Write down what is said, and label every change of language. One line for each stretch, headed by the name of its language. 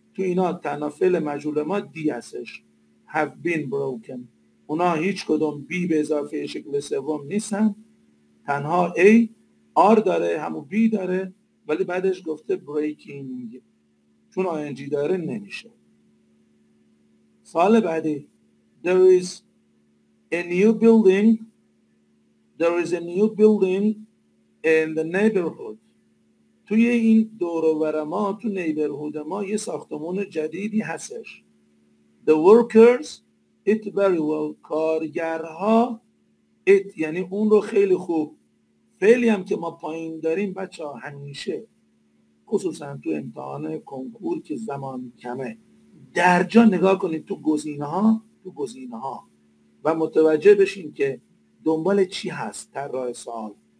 Persian: تو اینا تنها فعل مجهول ما دی هستش،
English: have been broken.
Persian: اونا هیچ کدوم بی به اضافه شکل سوم نیستن، تنها ای آر داره، همون بی داره، ولی بعدش گفته breaking، چون آینجی داره نمیشه. سال بعدی،
English: There is a new building in the neighborhood.
Persian: توی این دوروبر ما، تو نیبرهود ما یه ساختمان جدیدی هستش.
English: The workers it very well.
Persian: کارگرها it یعنی اون رو خیلی خوب. فعلی هم که ما پایین داریم بچه ها همیشه، خصوصا تو امتحان کنکور که زمان کمه، در جا نگاه کنید تو گزینه ها، تو گزینه ها، و متوجه بشین که دنبال چی هست تر راه سوال.